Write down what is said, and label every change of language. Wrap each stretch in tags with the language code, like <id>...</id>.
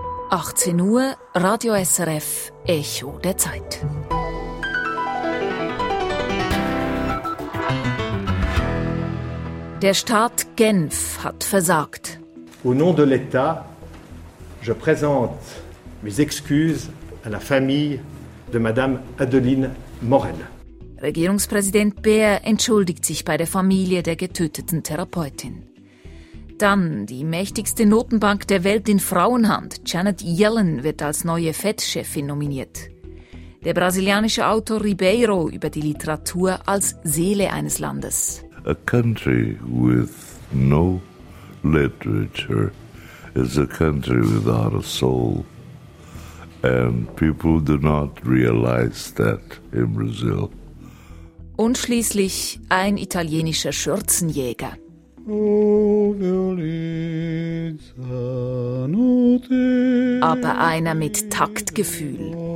<de>18 Uhr, Radio SRF, Echo der Zeit. Der Staat Genf hat versagt.</de> <fr>Au nom de l'État, je présente mes excuses à la famille de Madame Adeline Morel.</fr> <de>Regierungspräsident Bär entschuldigt sich bei der Familie der getöteten Therapeutin. Dann die mächtigste Notenbank der Welt in Frauenhand, Janet Yellen, wird als neue FED-Chefin nominiert. Der brasilianische Autor Ribeiro über die Literatur als Seele eines Landes.</de> <en>A country with no literature is a country without a soul. And people do not realize that in Brazil.</en> <de>Und schließlich ein italienischer Schürzenjäger. Aber einer mit Taktgefühl.</de>